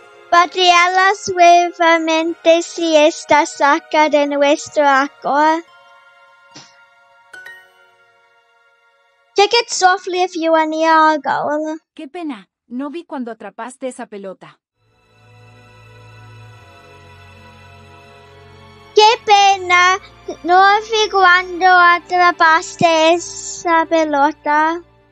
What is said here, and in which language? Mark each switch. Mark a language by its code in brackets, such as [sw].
[es] Patéala suavemente si estás cerca de nuestro arco. [en] Kick it softly if you are near our goal. [es] Qué pena, no vi cuando atrapaste esa pelota. Qué pena, no vi cuando atrapaste esa pelota.